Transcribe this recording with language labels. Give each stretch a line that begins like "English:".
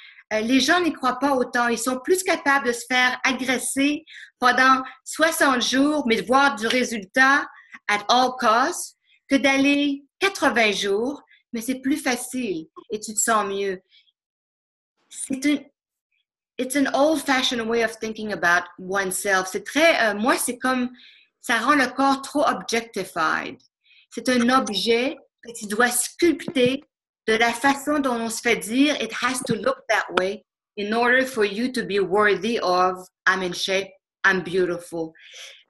French: Les gens n'y croient pas autant. Ils sont plus capables de se faire agresser pendant 60 jours, mais de voir du résultat
English: at all costs,
French: que d'aller 80 jours, mais c'est plus facile et tu te sens mieux.
English: It's an old-fashioned way of thinking about oneself.
French: C'est très, moi, c'est comme, ça rend le corps trop objectified. C'est un objet que tu dois sculpter de la façon dont on se fait dire «
English: it has to look that way in order for you to be worthy of I'm in shape, I'm beautiful ».